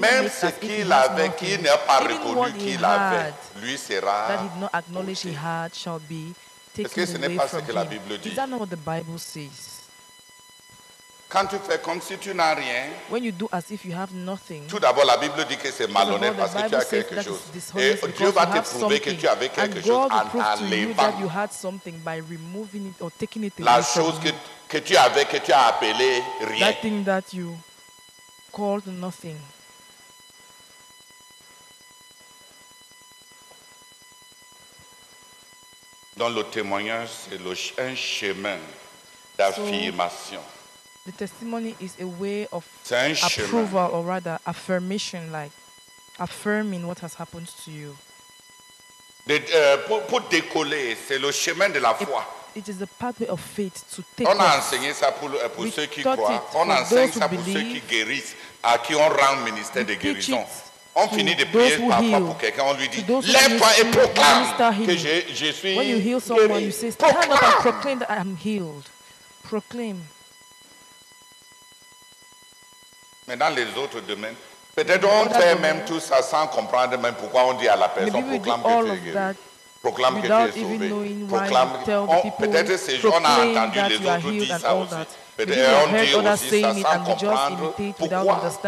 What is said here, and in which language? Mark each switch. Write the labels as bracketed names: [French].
[French] Même ce qu'il avait, qui n'a pas reconnu qu'il avait, lui sera. [English] That he did not acknowledge he had shall be taken [French] Est-ce que ce n'est pas ce que [English] him? [French] La Bible dit? [English] Is that not what the Bible says? [French] Quand tu fais comme si tu n'as rien, [English] when you do as if you have nothing, [French] tout d'abord la Bible dit que c'est malhonnête parce que tu as quelque chose. Et Dieu va te prouver que tu avais quelque chose en enlevant. [English] By removing it or taking it away [French] la chose [English] from [French] que tu avais, que tu as appelé rien. [English] That thing that you called nothing. [French] Dans le témoignage, c'est un chemin d'affirmation. [English] So, the testimony is a way of approval, [French] chemin. [English] Or rather affirmation, like affirming what has happened to you. [French] Pour décoller, c'est le chemin de la foi. [English] It is the pathway of faith to take. [French] On a enseigné ça pour ceux qui croient. On enseigne ça pour ceux qui guérissent, à qui on rend ministère de guérison. On finit de prier parfois pour quelqu'un, on lui dit, lève-toi et proclame que je suis guéri. [English] When you heal someone, you say, stand up and proclaim that I am healed. Proclaim. [French] Mais dans les autres domaines, peut-être on fait même tout ça sans comprendre même pourquoi on dit à la personne, proclame que tu es guéri. Proclame [English] Without [French] que tu es sauvé. Proclame. Peut-être ces gens ont entendu les autres dire ça aussi. Peut-être on dit aussi ça sans comprendre pourquoi.